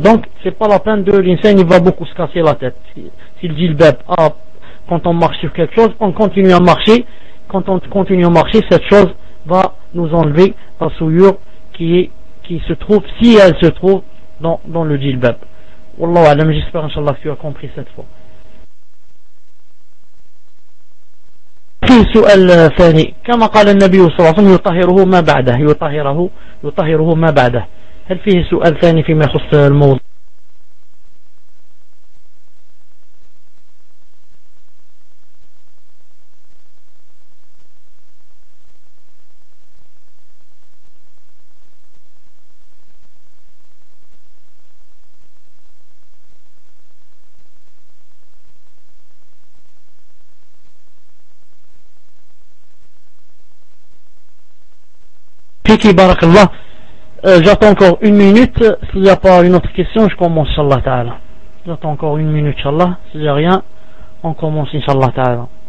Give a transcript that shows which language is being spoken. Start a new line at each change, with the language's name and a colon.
French: Donc, c'est pas la peine de l'insigne, il va beaucoup se casser la tête. S'il dit le bep, quand on marche sur quelque chose, on continue à marcher. Quand on continue à marcher, cette chose va nous enlever la souillure qui se trouve, si elle se trouve, dans le djilbab. Wallahu alam, j'espère, inshallah, que tu as compris cette fois.
Arabic: سؤال ثاني كما قال النبي صلى الله عليه وسلم يطهره ما بعده يطهره ما بعده هل فيه سؤال ثاني فيما يخص الموضوع Barakallah.
French: J'attends encore une minute. S'il n'y a pas une autre question, je commence, inshallah ta'ala. J'attends encore une minute, inshallah. S'il n'y a rien, on commence, inshallah ta'ala.